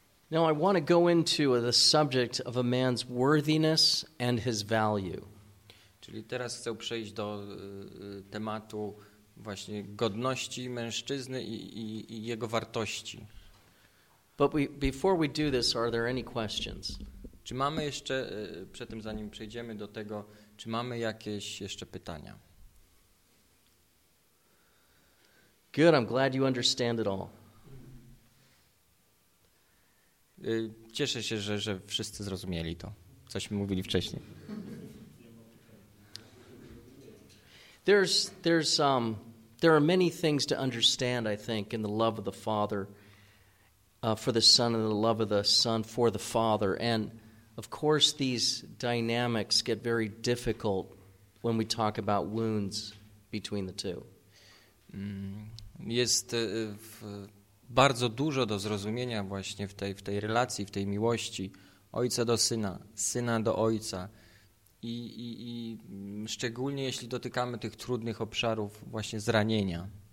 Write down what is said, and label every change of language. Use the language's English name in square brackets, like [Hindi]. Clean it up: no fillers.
[English] Now, I want to go into the subject of a man's worthiness and his value. [Polish] Czyli teraz chcę przejść do tematu właśnie godności mężczyzny i jego wartości. [English] But before we do this, are there any questions? [Polish] Czy mamy jeszcze, przed tym zanim przejdziemy do tego, czy mamy jakieś jeszcze pytania? [English] Good, I'm glad you understand it all. [Polish] Cieszę się, że wszyscy zrozumieli to, cośmy mówili wcześniej. [English] There are many things to understand, I think, in the love of the Father for the Son and the love of the Son for the Father. And of course, these dynamics get very difficult when we talk about wounds between the two. [Polish] Jest bardzo dużo do zrozumienia właśnie w tej relacji, w tej miłości ojca do syna, syna do ojca. I szczególnie jeśli dotykamy tych trudnych obszarów właśnie zranienia.